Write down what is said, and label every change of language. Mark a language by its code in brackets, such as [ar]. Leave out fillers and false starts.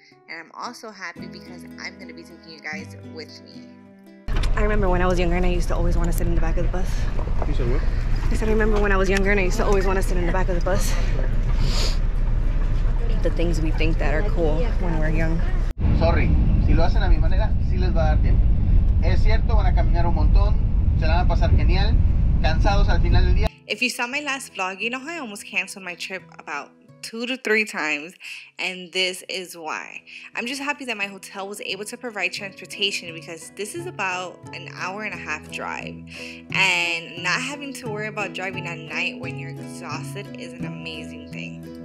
[en] And I'm also happy because I'm going to be taking you guys with me. I remember when I was younger and I used to always want to sit in the back of the bus. You said what? I said I remember when I was younger and I used to always want to sit in the back of the bus. The things we think that are cool when we're young. Sorry. [es] Si lo hacen a mi manera, sí les va a dar tiempo. Es cierto, van a caminar un montón, se van a pasar genial, cansados al final del día. [en] If you saw my last vlog, you know how I almost canceled my trip about 2 to 3 times, and this is why. I'm just happy that my hotel was able to provide transportation because this is about an hour and a half drive, and not having to worry about driving at night when you're exhausted is an amazing thing.